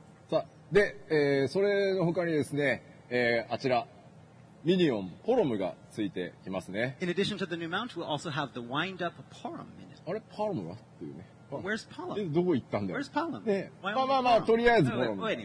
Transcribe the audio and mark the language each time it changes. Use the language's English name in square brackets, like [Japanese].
[Japanese] さあ、で、それの他にですね、あちら、ミニオン、ポロムがついてきますね。 [English] In addition to the new mount, we'll also have the wind-up Porom in it. [Japanese] あれ、ポロムはっていうね。 [English] Where's Palom? [Japanese] どこ行ったんだよ。 [English] Where's Palom? [Japanese] ね、まあまあまあ、とりあえずポロム。